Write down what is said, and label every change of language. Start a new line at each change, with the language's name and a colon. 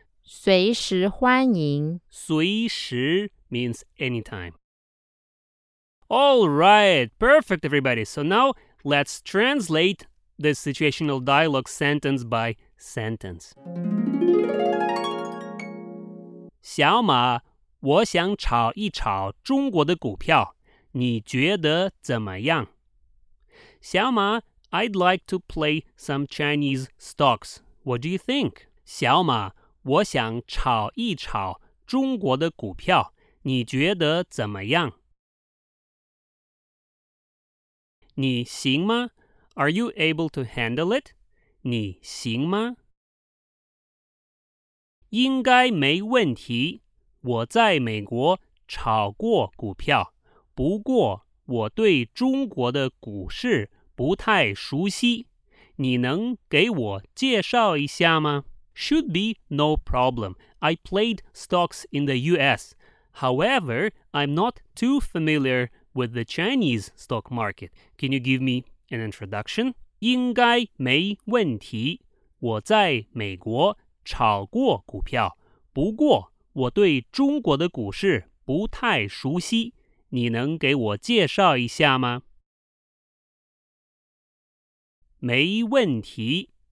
Chinese: 随时欢迎。随时。
English: Means anytime. All right, perfect, everybody. So now let's translate this situational dialogue sentence by sentence.
Chinese: 小马，我想炒一炒中国的股票，你觉得怎么样？
English: 小马， I'd like to play some Chinese stocks. What do you think?
Chinese: 小马，我想炒一炒中国的股票。你觉得怎么样？你行吗？
English: Are you able to handle it?
Chinese: 你行吗？应该没问题。我在美国炒过股票，不过我对中国的股市不太熟悉。你能给我介绍一下吗？
English: Should be no problem. I played stocks in the US. However, I'm not too familiar with the Chinese stock market. Can you give me an introduction?
Chinese: 应该没问题。我在美国炒过股票，不过我对中国的股市不太熟悉。你能给我介绍一下吗？没问题。